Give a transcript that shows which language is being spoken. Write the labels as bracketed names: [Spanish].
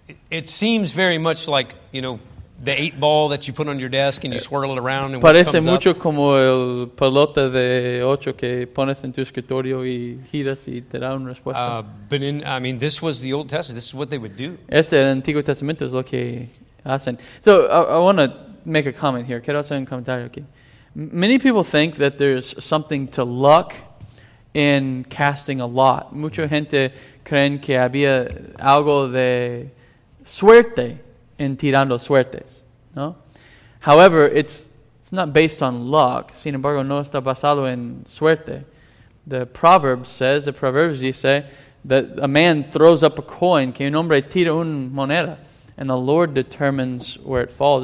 [English] It seems very much like, you know, the eight ball that you put on your desk and you swirl it around and [Spanish] parece [English] what comes [Spanish] mucho [English] up. [Spanish] Como el pelota de ocho que pones en tu escritorio y giras y te da una respuesta. [English] But this was the Old Testament. This is what they would do. [Spanish] Este Antiguo Testamento es lo que hacen. [English] So I want to make a comment here. [Spanish] Quiero hacer un comentario aquí. [English] Many people think that there's something to luck in casting a lot. [Spanish] Mucha gente creen que había algo de suerte en tirando suertes, ¿no? [English] However, it's not based on luck. [Spanish] Sin embargo, no está basado en suerte. [English] The Proverbs dice that a man throws up a coin, [Spanish] que un hombre tira una moneda, [English] and the Lord determines where it falls.